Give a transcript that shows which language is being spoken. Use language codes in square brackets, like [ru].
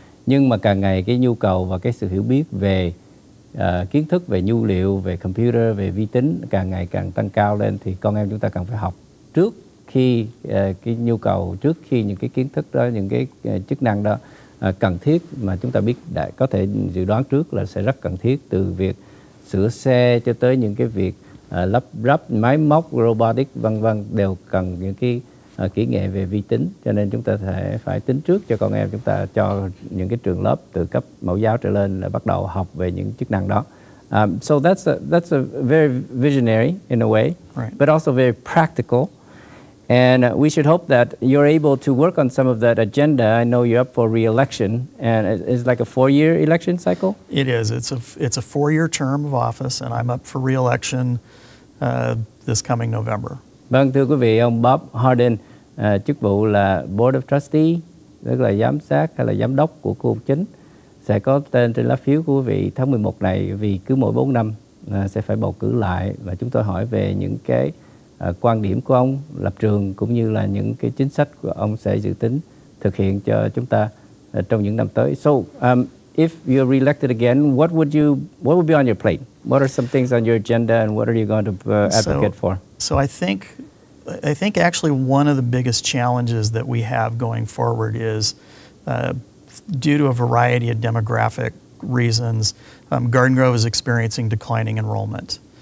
[vi] Nhưng mà càng ngày cái nhu cầu và cái sự hiểu biết về kiến thức về nhu liệu, về computer, về vi tính càng ngày càng tăng cao lên, thì con em chúng ta cần phải học trước khi cái nhu cầu, trước khi những cái kiến thức đó, những cái chức năng đó cần thiết mà chúng ta biết đã có thể dự đoán trước là sẽ rất cần thiết, từ việc sửa xe cho tới những cái việc lắp ráp máy móc, robotic, vân vân, đều cần những cái kỹ nghệ về vi tính. Cho nên chúng ta phải tính trước cho con em chúng ta, cho những cái trường lớp từ cấp mẫu giáo trở lên là bắt đầu học về những chức năng đó. [en] So that's a very visionary in a way, right, but also very practical. And we should hope that you're able to work on some of that agenda. I know you're up for re-election, and it's like a four-year election cycle? It is. It's a four-year term of office, and I'm up for re-election this coming November. [vi] Vâng, thưa quý vị, ông Bob Hardin, chức vụ là Board of Trustees, tức là giám sát hay là giám đốc của khu vực chính, sẽ có tên trên lá phiếu của quý vị tháng 11 này, vì cứ mỗi 4 năm sẽ phải bầu cử lại. Và chúng tôi hỏi về những cái quan điểm của ông, lập trường cũng như là những cái chính sách của ông sẽ dự tính thực hiện cho chúng ta trong những năm tới. [en] So, if you're re-elected again, what would be on your plate? What are some things on your agenda, and what are you going to advocate for? So I think actually one of the biggest challenges that we have going forward is due to a variety of demographic reasons, Garden Grove is experiencing declining enrollment.